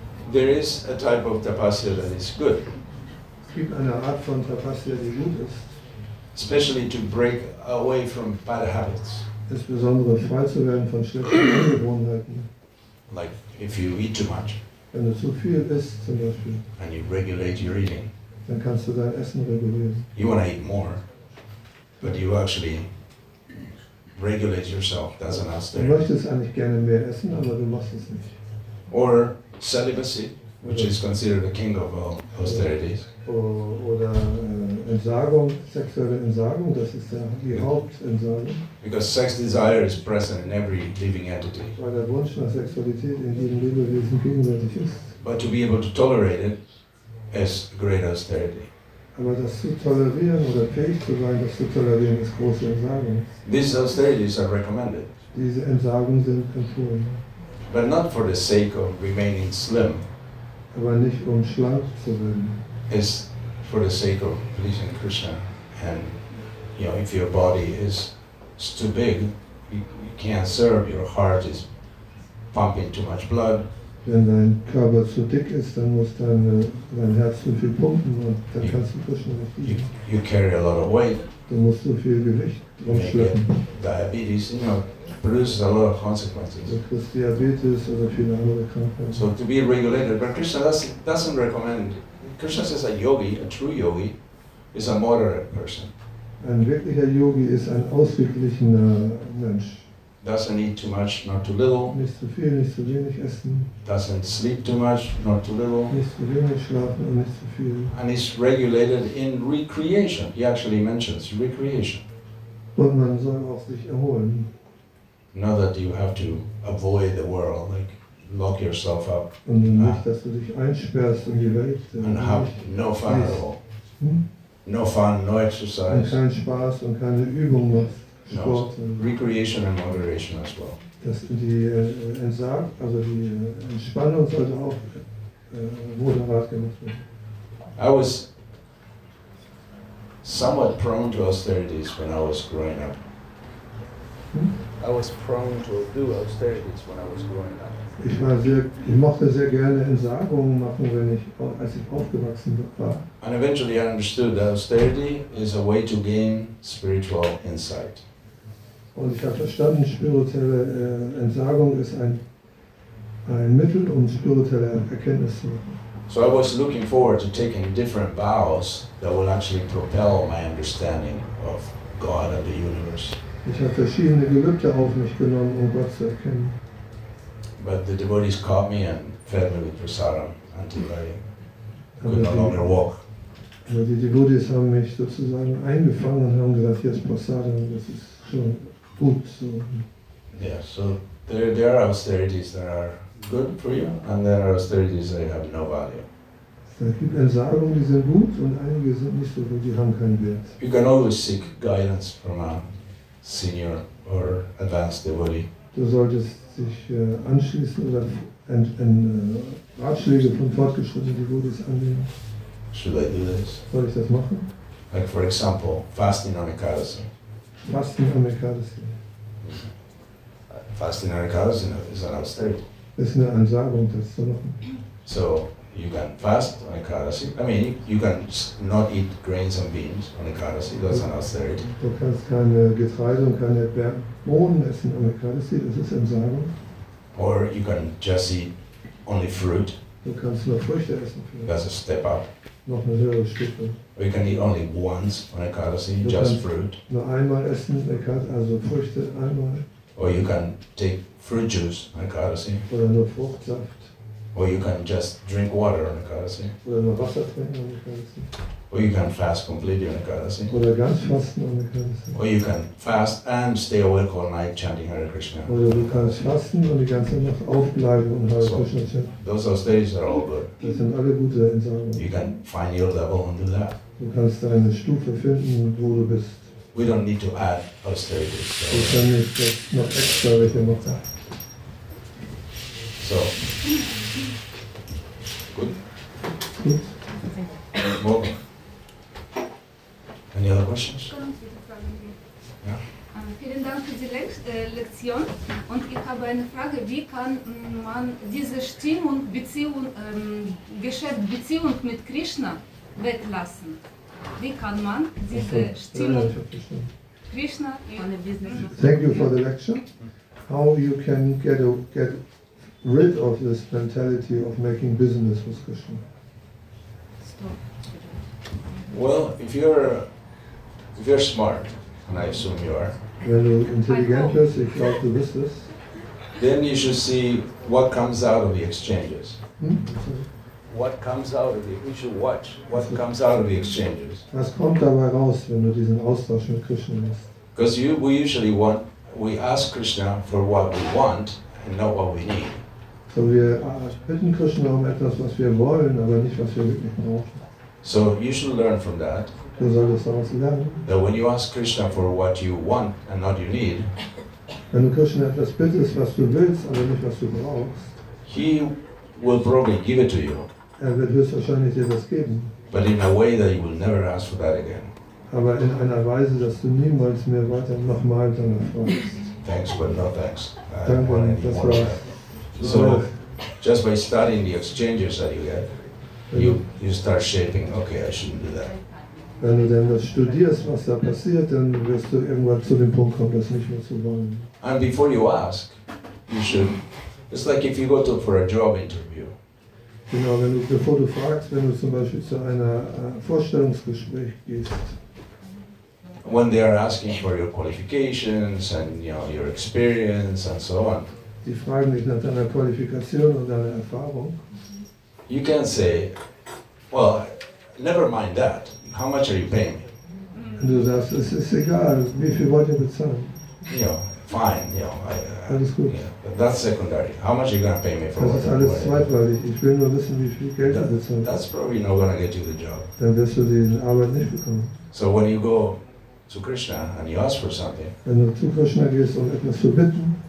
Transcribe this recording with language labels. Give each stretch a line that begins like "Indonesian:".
English: There is a type of tapasya that is good.
German: Es gibt eine Art von tapasya, die gut ist.
English: Especially to break away from bad habits.
German: Insbesondere frei zu werden von schlechten Gewohnheiten.
English: Like if you eat too much.
German: Wenn du zu viel isst, zum Beispiel.
English: And you regulate your eating.
German: Dann kannst du dein Essen regulieren.
English: You want to eat more. But you actually regulate yourself. That's an austerity.
German: Du möchtest eigentlich gerne mehr essen, aber du machst es nicht.
English: Or celibacy, which is considered the king of all austerities.
German: Oder Entsagung, sexuelle Entsagung, das ist die Hauptentsagung.
English: Because sex desire is present in every living entity.
German: Weil der Wunsch nach Sexualität in jedem Lebewesen gegenwärtig ist.
English: But to be able to tolerate it is great austerity.
German: Aber das zu tolerieren oder fähig zu sein, das zu tolerieren, ist große Entsagung.
English: These austerities are recommended.
German: Diese Entsagungen sind empfohlen.
English: But not for the sake of remaining slim.
German: Aber nicht um schlank zu werden.
English: It's for the sake of pleasing Krishna. And you know, if your body is too big, you can't serve. Your heart is pumping too much blood.
German: Wenn dein Körper zu dick ist, dann muss dein Herz zu viel pumpen und dann kannst du Krishna nicht dienen.
English: You carry a lot of weight.
German: Du musst so viel Gewicht rumschleppen.
English: Diabetes, you know, produces a lot of consequences.
German: Du kriegst Diabetes oder viele andere Krankheiten.
English: So to be regulated, but Krishna doesn't recommend. Krishna says a yogi, a true yogi, is a moderate person.
German: Ein wirklicher Yogi ist ein ausgeglichener Mensch.
English: Doesn't eat too much, not too little.
German: Nicht zu viel, nicht zu wenig essen.
English: Doesn't sleep too much, not too little.
German: Nicht zu wenig schlafen und nicht zu viel.
English: And is regulated in recreation. He actually mentions recreation.
German: Und man soll auch sich erholen.
English: Not that you have to avoid the world, like lock yourself up.
German: Und nicht, dass du dich einsperrst in die Welt.
English: And have no fun at all. No fun, no exercise.
German: Und keinen Spaß und keine Übung machst.
English: No, recreation and moderation as well.
German: Dass die Entsagung, also die Entspannung sollte auch moderat gemacht werden.
English: I was somewhat prone to austerities when I was growing up. I was prone to do austerities when I was growing up.
German: Ich mochte sehr gerne Entsagungen machen, als ich aufgewachsen war.
English: And eventually I understood that austerity is a way to gain spiritual insight.
German: Und ich habe verstanden, spirituelle Entsagung ist ein Mittel, um spirituelle Erkenntnis zu machen.
English: So I was looking forward to taking different vows that will actually propel my understanding of God and the universe.
German: Ich habe verschiedene Gelübde auf mich genommen, um Gott zu erkennen.
English: But the devotees caught me and fed me with prasadam until I could no longer walk.
German: Aber die Devotees haben mich sozusagen eingefangen und haben gesagt, hier ist prasadam, das ist schon...
English: Yeah, so there are austerities that are good for you, and there are austerities that have no value. You can always seek guidance from a senior or advanced devotee. Should I do this?
German: Soll ich das machen?
English: Like for example, fasting on Ekadasi. Fasting on Ekadasi. Fasting on Ekadasi is an austerity.
German: Ist eine Ansagung, das zu machen.
English: So, you can fast on Ekadasi. I mean, you can not eat grains and beans on Ekadasi. That's an austerity.
German: Du kannst keine Getreide und keine Bohnen essen
English: on Ekadasi.
German: Das ist Entsagung.
English: Or you can just eat only fruit.
German: Du kannst nur Früchte essen. Vielleicht.
English: That's a step up.
German: Noch eine höhere Stufe.
English: Or you can eat only once on Ekadasi, just fruit.
German: Nur einmal essen
English: on Ekadasi,
German: also Früchte einmal.
English: Or you can take fruit juice on Ekadasi.
German: Oder nur Fruchtsaft.
English: Or you can just drink water on Ekadasi.
German: Oder nur Wasser trinken
English: on Ekadasi. Or you can fast completely on Ekadasi.
German: Oder ganz fasten
English: on Ekadasi. Or you can fast and stay awake all night chanting Hare Krishna.
German: Oder du kannst fasten und die ganze Nacht aufbleiben und Hare Krishna chanten.
English: Those austerities are all good.
German: Das sind alle gute Entsagungen.
English: You can find your level and do that.
German: Du kannst deine Stufe finden, wo du bist.
English: We don't need to add austerities.
German: Wir können nicht noch extra welche machen.
English: So. Good. Good. Welcome. Any other questions?
German: Yeah. Vielen Dank für die Lektion. Und ich habe eine Frage: Wie kann man diese Stimmung, Beziehung, Geschäft, Beziehung mit Krishna weglassen? Wie kann man diese Stimmung, Krishna,
English: in Business? Thank you for the lecture. How you can get rid of this mentality of making business with Krishna? Well, if you're smart, and I assume you are,
German: wenn du intelligent bist, ich glaube du bist es,
English: then you should see what comes out of the exchanges. What comes out of the? We should watch what comes out of the exchanges.
German: Was kommt dabei raus, wenn du diesen Austausch mit Krishna machst?
English: Because we ask Krishna for what we want and not what we need.
German: So wir bitten Krishna um etwas, was wir wollen, aber nicht, was wir wirklich brauchen.
English: So you should learn from that.
German: Du solltest daraus lernen.
English: That when you ask Krishna for what you want and not you need.
German: Wenn du Krishna etwas bittest, was du willst, aber nicht, was du brauchst.
English: He will probably give it to you.
German: Er wird höchstwahrscheinlich dir das geben.
English: But in a way that you will never ask for that again.
German: Aber in einer Weise, dass du niemals mehr weiter nochmal danach fragst.
English: Thanks, but no thanks.
German: Danke, das war's.
English: So, just by studying the exchanges that you get, you start shaping, okay, I shouldn't do that.
German: Wenn du dann das studierst, was da passiert, dann wirst du irgendwann zu dem Punkt kommen, das nicht mehr zu wollen.
English: And before you ask, you should, it's like if you go to for a job interview.
German: Genau, wenn du, bevor du fragst, wenn du zum Beispiel zu einer Vorstellungsgespräch gehst.
English: When they are asking for your qualifications and, you know, your experience and so on.
German: Die fragen dich nach deiner Qualifikation und deiner Erfahrung.
English: You can say, well, never mind that. How much are you paying me?
German: Und du sagst, es ist egal, wie viel wollt ihr bezahlen?
English: Yeah, fine, yeah.
German: Alles gut.
English: Yeah, that's secondary. How much are you going to pay me for
German: that? Das ist alles zweitweilig. Ich will nur wissen, wie viel Geld ihr bezahlt.
English: That's probably not going to get you the job.
German: Dann wirst du die Arbeit nicht bekommen.
English: So when you go to Krishna and you ask for something,
German: wenn du zu Krishna gehst, um etwas zu bitten,